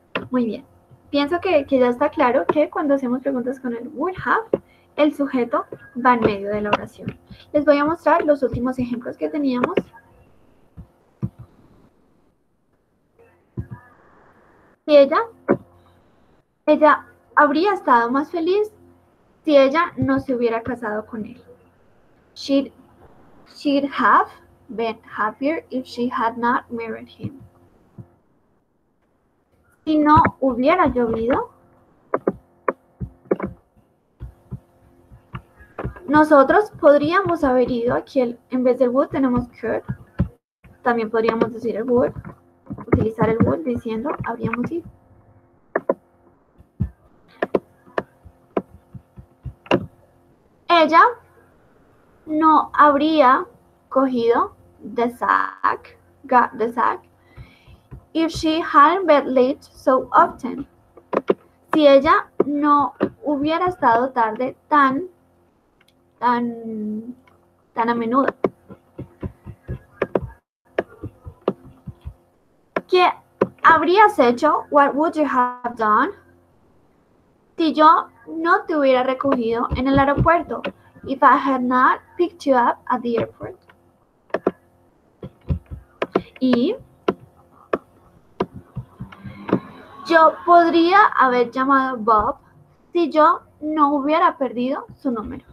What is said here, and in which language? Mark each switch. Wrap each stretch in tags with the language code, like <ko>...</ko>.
<es>Muy bien, pienso que ya está claro que cuando hacemos preguntas con el would have, el sujeto va en medio de la oración. Les voy a mostrar los últimos ejemplos que teníamos. Y ella, ella habría estado más feliz si ella no se hubiera casado con él.</es> <en>She'd have been happier if she had not married him.</en> <es>Si no hubiera llovido, nosotros podríamos haber ido aquí, en vez del would tenemos could. También podríamos decir el would, utilizar el would diciendo habríamos ido. Ella no habría cogido</es> <en>the sack, got the sack, if she hadn't been late so often.</en> <es>Si ella no hubiera estado tarde tan a menudo. ¿Qué habrías hecho?</es> <en>What would you have done?</en> <es>Si yo no te hubiera recogido en el aeropuerto.</es> <en>If I had not picked you up at the airport.</en> <es>Y yo podría haber llamado Bob si yo no hubiera perdido su número.</es>